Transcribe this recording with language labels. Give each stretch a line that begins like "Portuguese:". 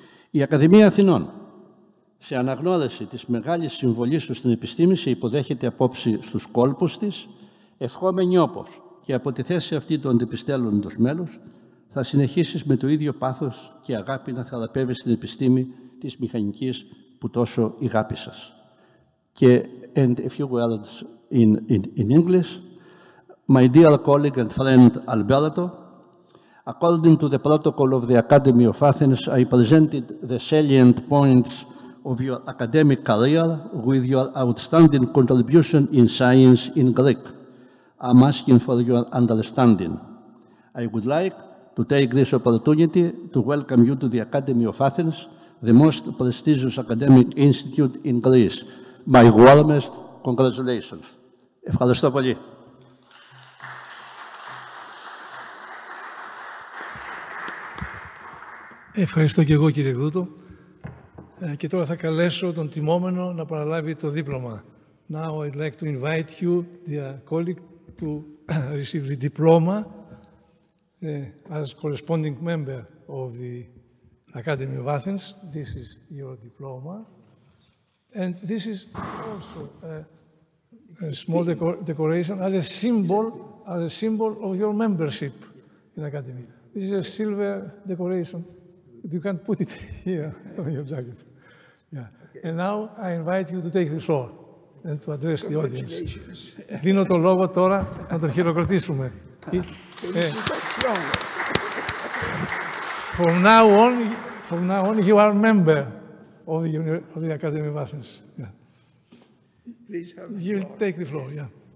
Greek: Η Ακαδημία Αθηνών, σε αναγνώριση της μεγάλης συμβολής σου στην επιστήμη, σε υποδέχεται απόψη στους κόλπους της, ευχόμενη όπως και από τη θέση αυτή του αντιπιστέλλοντος μέλους, θα συνεχίσεις με το ίδιο πάθος και αγάπη να θεραπεύεις την επιστήμη της μηχανικής που τόσο ηγάπη σας. Και,
English: and a few words in English, my dear colleague and friend Alberto, according to the protocol of the Academy of Athens, I presented the salient points of your academic career with your outstanding contribution in science in Greek. I'm asking for your understanding. I would like to take this opportunity to welcome you to the Academy of Athens, the most prestigious academic institute in Greece. My warmest congratulations.
Greek: Ευχαριστώ πολύ. Ευχαριστώ και εγώ, κύριε Γκρούτο. Και τώρα θα καλέσω τον τιμόμενο να παραλάβει το δίπλωμα.
English: Now I'd like to invite you, dear colleague, to receive the diploma as corresponding member of the Academy of Athens. This is your diploma. And this is also a small decoration as a symbol, of your membership in the Academy. This is a silver decoration. You can put it here on your jacket. Yeah. Okay. And now I invite you to take the floor and to address the audience.
Greek: Δίνω το λόγο τώρα να τον χειροκροτήσουμε.
English: From now on, you are a member of the, Academy of Athens. Yeah. Please have the You'll floor. Take the floor, yeah.